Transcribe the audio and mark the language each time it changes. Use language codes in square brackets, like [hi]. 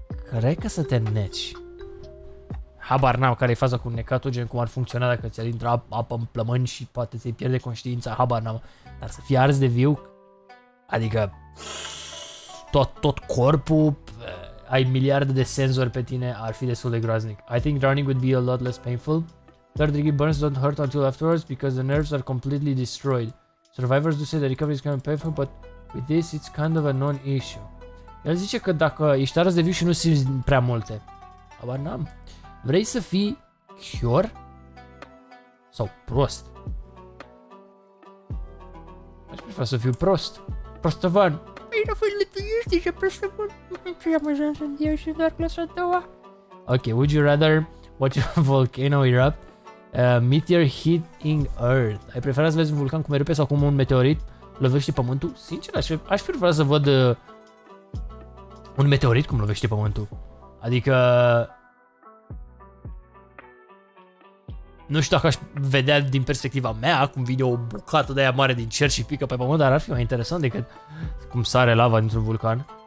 [ro] Cred că să te neci. Habar n-am care e faza cu necatul, gen cum ar funcționa dacă ți-ar intra apă în plămâni și poate ți-ai pierde conștiința, habar n-am. Dar să fii ars de viu, adică tot corpul, ai miliarde de senzori pe tine, ar fi destul de groaznic. [en] I think drowning would be a lot less painful. Third degree burns don't hurt until afterwards because the nerves are completely destroyed. Survivors do say the recovery is kind of painful, but with this it's kind of a non-issue. [ro] El zice că dacă ești ars de viu și nu simți prea multe, habar n-am. Vrei să fii chior sau prost? Aș prefera să fiu prost. Prostăvan. Păi nu fost lătuiești deja prostăvan. Ce am ajuns în eu și doar clasa a doua. [en] Ok, would you rather watch a volcano erupt? Meteor hitting Earth. [ro] Ai prefera să vezi un vulcan cum erupe sau cum un meteorit lovește pământul? Sincer, aș prefera să văd un meteorit cum lovește pământul. Adică... Nu știu dacă aș vedea din perspectiva mea cum vine o bucată de aia mare din cer și pică pe pământ, dar ar fi mai interesant decât cum sare lava dintr-un vulcan.